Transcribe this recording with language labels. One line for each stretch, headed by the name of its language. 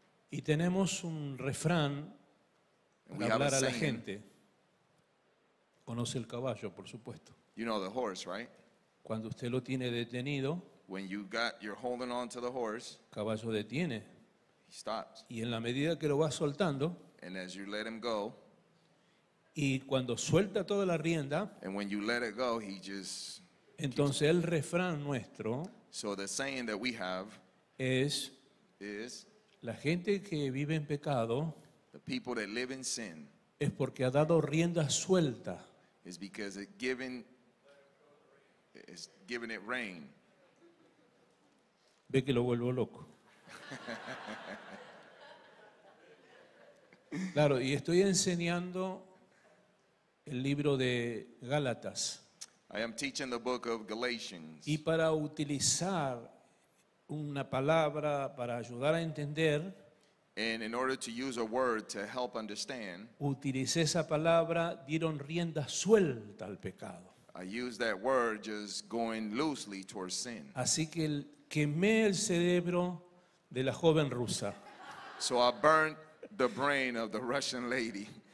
Spanish: Y tenemos un refrán para hablar a la gente. Conoce el caballo, por supuesto.
English: You know the horse, right?
Spanish: Cuando usted lo tiene detenido,
English: when you're holding on to the horse,
Spanish: caballo detiene.
English: He stops.
Spanish: Y en la medida que lo va soltando,
English: and as you let him go,
Spanish: y cuando suelta toda la rienda,
English: and when you let it go, he just
Spanish: entonces el refrán nuestro,
English: so the saying that we have
Spanish: is la gente que vive en pecado,
English: the people that live in sin,
Spanish: es porque ha dado rienda suelta,
English: is because it's given it rein.
Spanish: Ve que lo vuelvo loco. Claro, y estoy enseñando el libro de Gálatas.
English: I am teaching the book of Galatians.
Spanish: Y para utilizar una palabra para ayudar a entender,
English: and in order to use a word to help understand,
Spanish: utilicé esa palabra, dieron rienda suelta al pecado.
English: I use that word just going loosely towards sin.
Spanish: Así que quemé el cerebro de la joven rusa.
English: So I burned the brain of the Russian lady.